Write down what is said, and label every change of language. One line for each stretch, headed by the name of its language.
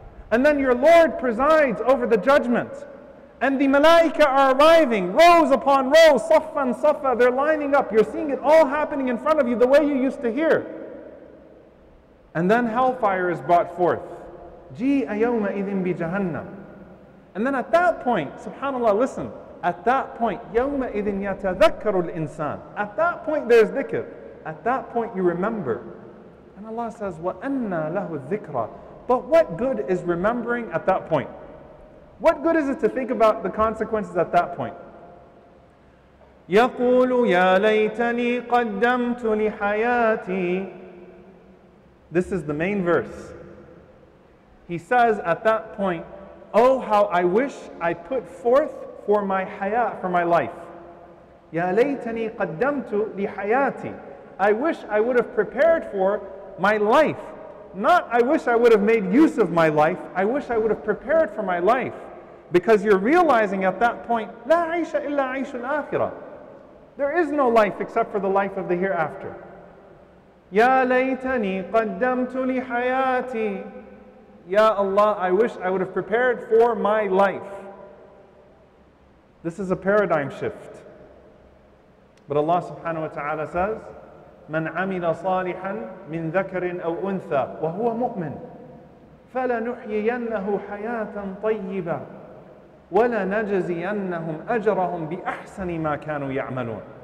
English: And then your Lord presides over the judgment. And the malaika are arriving, rows upon rows, saffan saffa, they're lining up. You're seeing it all happening in front of you the way you used to hear. And then hellfire is brought forth.
Arabic: جِيءَ يَوْمَئِذٍ بِجَهَنَّمَ.
English: And then at that point, subhanAllah, listen. At that point,
Arabic: يَوْمَئِذٍ يَتَذَكَّرُ الْإِنسَانِ.
English: At that point, there's dhikr. At that point, you remember. And Allah says,
Arabic: وَأَنَّا لَهُ الذِّكْرَى.
English: But what good is remembering at that point? What good is it to think about the consequences at that point?
Arabic: يَقُولُ يَا لَيْتَنِي قَدَّمْتُ لِحَيَاتِي.
English: This is the main verse. He says at that point, oh, how I wish I put forth for my haya, for my life.
Arabic: يَا لَيْتَنِي قَدَّمْتُ لِحَيَاتِي.
English: I wish I would have prepared for my life. Not I wish I would have made use of my life. I wish I would have prepared for my life. Because you're realizing at that point,
Arabic: لَا عِيشَ إِلَّا عِيشُ الْآخِرَةِ.
English: There is no life except for the life of the hereafter.
Arabic: يَا لَيْتَنِي قَدَّمْتُ لِحَيَاتِي.
English: Ya Allah, I wish I would have prepared for my life. This is a paradigm shift. But Allah subhanahu wa ta'ala says,
Arabic: مَنْ عَمِلَ صَالِحًا مِنْ ذَكَرٍ أَوْ أُنْثَى وَهُوَ مُؤْمِنٌ فَلَنُحْيِيَنَّهُ حَيَاةً طَيِّبًا وَلَنَجَزِيَنَّهُمْ أَجْرَهُمْ بِأَحْسَنِ مَا كَانُوا يَعْمَلُونَ.